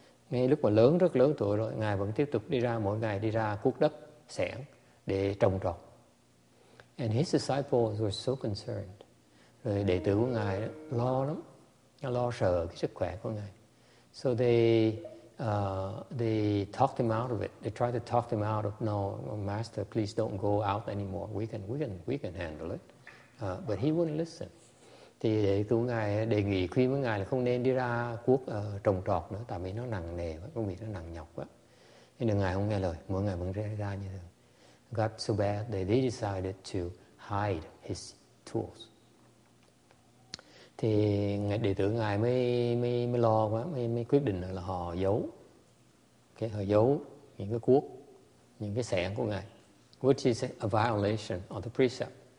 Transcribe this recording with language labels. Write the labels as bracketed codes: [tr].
[vi] Ngay lúc mà lớn, rất lớn tuổi rồi, ngài vẫn tiếp tục đi ra, mỗi ngày đi ra cuốc đất xẻng để trồng trọt. [en] And his disciples were so concerned. [vi] Rồi đệ tử của ngài đó, lo lắm, lo sợ cái sức khỏe của ngài. [en] So they talked him out of it. They tried to talk him out of, no, master, please don't go out anymore. We can handle it. But he wouldn't listen. [vi] Thì đệ tử của ngài đề nghị khuyên với ngài là không nên đi ra cuốc trồng trọt nữa, tại vì nó nặng nề, công việc nó nặng nhọc quá. Nhưng ngài không nghe lời, mỗi ngày vẫn ra như thế. [en] Got so bad that they decided to hide his tools. [vi] Thì đệ tử ngài mới lo quá, mới quyết định là họ giấu, okay, họ giấu những cái cuốc, những cái xẻng của ngài, [en] which is a violation of the precept.